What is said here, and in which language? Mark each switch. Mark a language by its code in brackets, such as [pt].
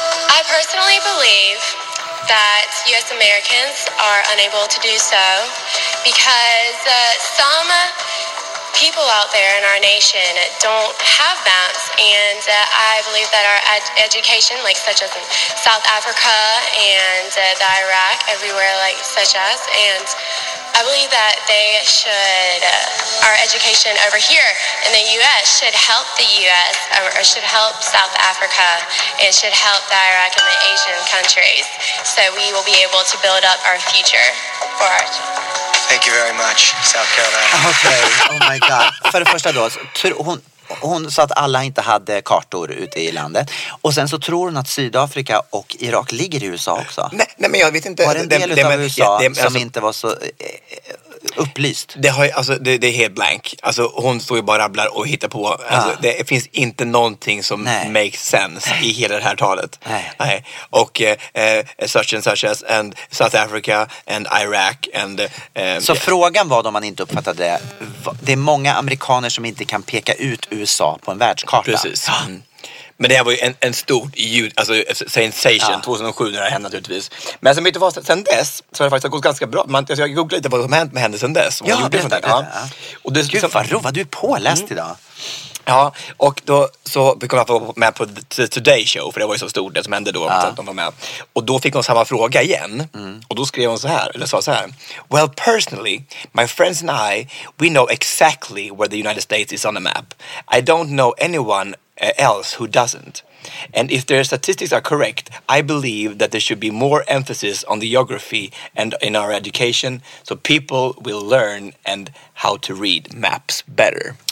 [en] I personally believe that US Americans are unable to do so because some people out there in our nation don't have maps, and I believe that our education, like such as in South Africa and the Iraq, everywhere like such as, and I believe that they should, our education over here in the U.S. should help the U.S. or should help South Africa and should help the Iraq and the Asian countries, so we will be able to build up our future for our children. Thank you very much, South Carolina. Okay, oh my god. [sv] För det första då, hon sa att alla inte hade kartor ute i landet. Och sen så tror hon att Sydafrika och Irak ligger i USA också. Nej men jag vet inte. Var det en del av USA som inte var så upplyst? Det är helt blank. Alltså, hon står ju bara och rabblar och hittar på. Alltså, ja. Det finns inte någonting som, nej, [en] makes sense [sv] i hela det här talet. Nej. Och [en] such and such as and South Africa and Iraq. And, [sv] så yeah. Frågan var, om man inte uppfattade det. Det är många amerikaner som inte kan peka ut USA på en världskarta. Precis. Men det här var ju en stor ljud, alltså sensation, ja. 2007 när det hände naturligtvis. Men som inte var sen dess så har det faktiskt gått ganska bra. Man, alltså, jag googlade lite vad som hänt med henne sen dess. Ja, gjorde det där. Ja. Och det, gud, vad roligt, du är påläst idag. Ja, och då så kom jag med på The Today Show, för det var ju så stort det som hände då. Ja. Så att de var med. Och då fick hon samma fråga igen. Mm. Och då skrev hon så här, eller sa så här. [en] Well, personally, my friends and I, we know exactly where the United States is on the map. I don't know anyone else who doesn't. And if their statistics are correct, I believe that there should be more emphasis on the geography and in our education, so people will learn and how to read maps better.